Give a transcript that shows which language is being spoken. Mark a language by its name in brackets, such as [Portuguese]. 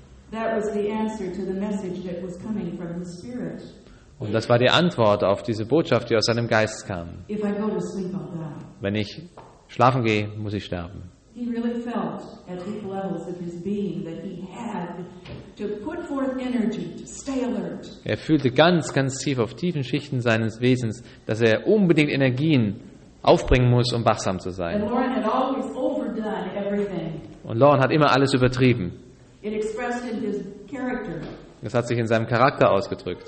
[English] That was the answer to the message that was coming from the Spirit. [German] Und das war die Antwort auf diese Botschaft, die aus seinem Geist kam. [English] If I go to sleep, I'll die. [German] Wenn ich schlafen gehe, muss ich sterben. [English] He really felt at deep levels of his being that he had to put forth energy to stay alert. [German] Er fühlte ganz, ganz tief auf tiefen Schichten seines Wesens, dass er unbedingt Energien aufbringen muss, um wachsam zu sein. [English] And Lauren had always overdone everything. [German] Und Lauren hat immer alles übertrieben. [English] It expressed in his character. [German] Das hat sich in seinem Charakter ausgedrückt.